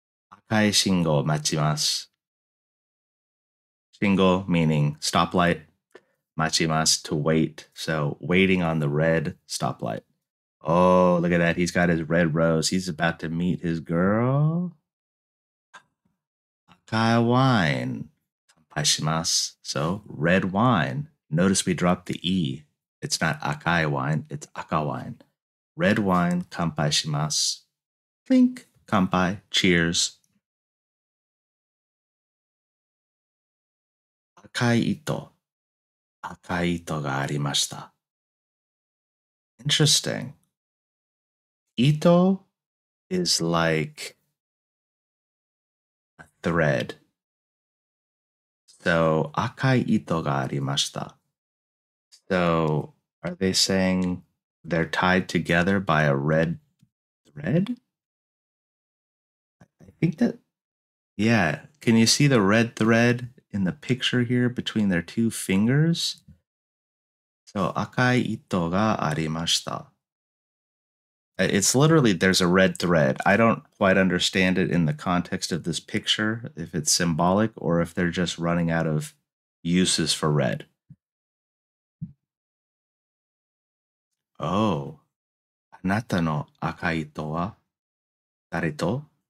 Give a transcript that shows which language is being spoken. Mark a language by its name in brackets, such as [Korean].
[Japanese] 赤い信号を待ちます。信号 [English] meaning stoplight. 待ちます to wait. So waiting on the red stoplight. Oh, look at that. He's got his red rose. He's about to meet his girl. [Japanese] 赤いワイン乾杯します。 [English] So red wine. Notice we dropped the E. It's not [Japanese] 赤いワイン. [English] It's [Japanese] 赤ワイン. [English] Red wine [Japanese] 乾杯します. [English] Clink. [Japanese] 乾杯. [English] Cheers. [Japanese] 赤い糸がありました。 [English] Interesting. 糸 is like a thread. [Japanese] So, 赤い糸がありました。 [English] So, are they saying they're tied together by a red thread? I think that, yeah. Can you see the red thread? In the picture here between their two fingers. [Japanese] So, 赤い糸がありました. [English] It's literally, there's a red thread. I don't quite understand it in the context of this picture, if it's symbolic or if they're just running out of uses for red. Oh, [Japanese] あなたの赤い糸は誰と?